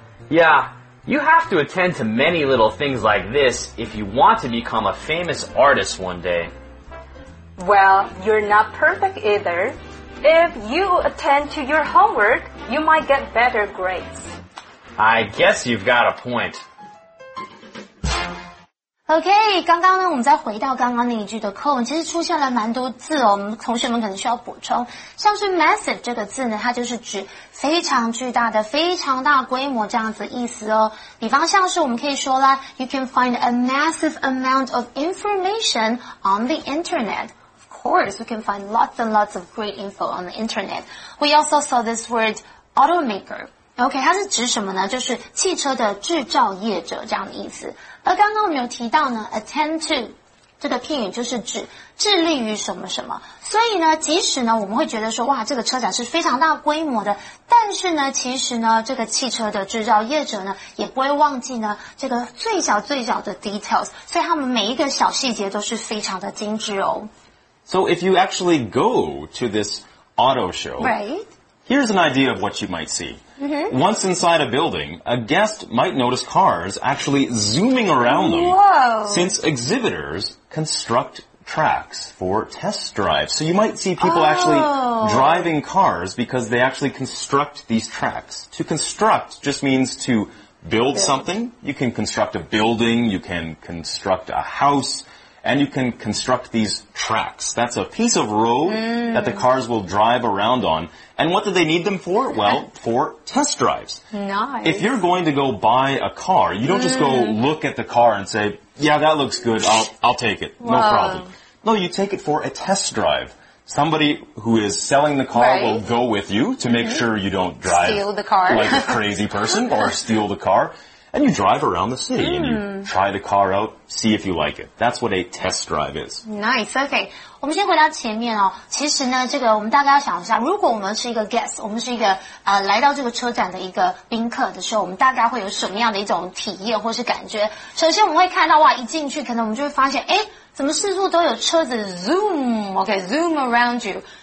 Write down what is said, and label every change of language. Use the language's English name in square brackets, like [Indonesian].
[English] Yeah, you have to attend to many little things like this if you want to become a famous artist one day. Well, you're not perfect either. If you attend to your homework, you might get better grades. I guess you've got a point. [Chinese] OK, 刚刚呢我们再回到刚刚那一句的课文，其实出现了蛮多字哦，我们同学们可能需要补充。像是 massive 这个字呢，它就是指非常巨大的，非常大规模这样子意思哦。比方像是我们可以说啦， [English] You can find a massive amount of information on the internet. Of course, we can find lots and lots of great info on the internet. We also saw this word automaker. OK, [Chinese] 它是指什么呢？就是汽车的制造业者这样的意思。而刚刚我们有提到呢 ,attend to, 这个片语就是指致力于什么什么。所以呢即使呢我们会觉得说哇这个车展是非常大规模的，但是呢其实呢这个汽车的制造业者呢也不会忘记呢这个最小最小的 details, 所以他们每一个小细节都是非常的精致哦。 [English] So if you actually go to this auto show, Right. Here's an idea of what you might see. Once inside a building, a guest might notice cars actually zooming around them. Whoa. Since exhibitors construct tracks for test drives. So you might see people actually driving cars because they actually construct these tracks. To construct just means to build something. You can construct a building, you can construct a house, and you can construct these tracks. That's a piece of road that the cars will drive around on. And what do they need them for? Well, for test drives. Nice. If you're going to go buy a car, you don't just go look at the car and say, yeah, that looks good, I'll take it, no problem. No, you take it for a test drive. Somebody who is selling the car will go with you to make sure you don't drive like a crazy person or steal the car. And you drive around the city and you try the car out, see if you like it. That's what a test drive is. [Chinese] Nice, okay. 我们先回到前面哦。其实呢，这个我们大概要想一下，如果我们是一个 guest， 我们是一个来到这个车展的一个宾客的时候，我们大概会有什么样的一种体验或是感觉？首先我们会看到哇，一进去可能我们就会发现，哎，怎么四处都有车子 zoom， OK， [English] zoom around you。